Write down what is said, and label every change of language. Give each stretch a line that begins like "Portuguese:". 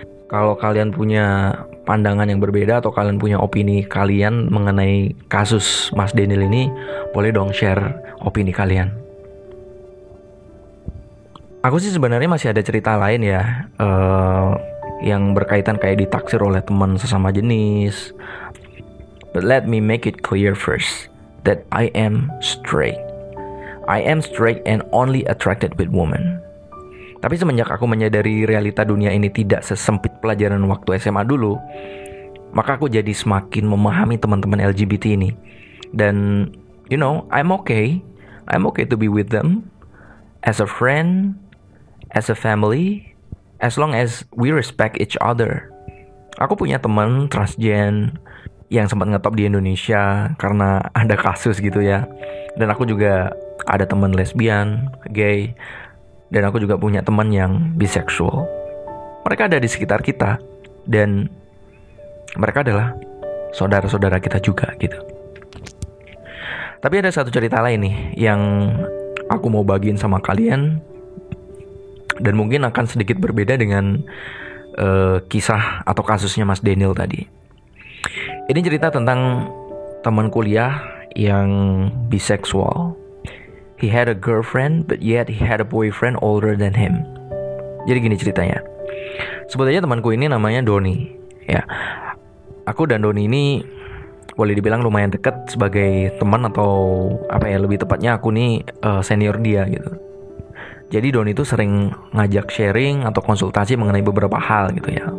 Indonesian: Kalau kalian punya pandangan yang berbeda atau kalian punya opini kalian mengenai kasus Mas Daniel ini, boleh dong share opini kalian. Aku sih sebenarnya masih ada cerita lain ya, yang berkaitan kayak ditaksir oleh teman sesama jenis.
English: But let me make it clear first that I am straight. I am straight and only attracted with women.
Indonesian: Tapi semenjak aku menyadari realita dunia ini tidak sesempit pelajaran waktu SMA dulu, maka aku jadi semakin memahami teman-teman LGBT ini.
English: Dan, you know, I'm okay to be with them, as a friend, as a family, as long as we respect each other.
Indonesian: Aku punya teman transgen yang sempat ngetop di Indonesia karena ada kasus gitu ya. Dan aku juga ada teman lesbian, gay, dan aku juga punya teman yang biseksual. Mereka ada di sekitar kita, dan mereka adalah saudara-saudara kita juga gitu. Tapi ada satu cerita lain nih yang aku mau bagiin sama kalian, dan mungkin akan sedikit berbeda dengan kisah atau kasusnya Mas Daniel tadi. Ini cerita tentang teman kuliah yang biseksual.
English: He had a girlfriend, but yet he had a boyfriend older than him.
Indonesian: Jadi gini ceritanya. Sebut aja temanku ini namanya Doni. Ya, aku dan Doni ini boleh dibilang lumayan dekat sebagai teman, atau apa ya, lebih tepatnya aku nih senior dia gitu. Jadi Doni itu sering ngajak sharing atau konsultasi mengenai beberapa hal gitu ya.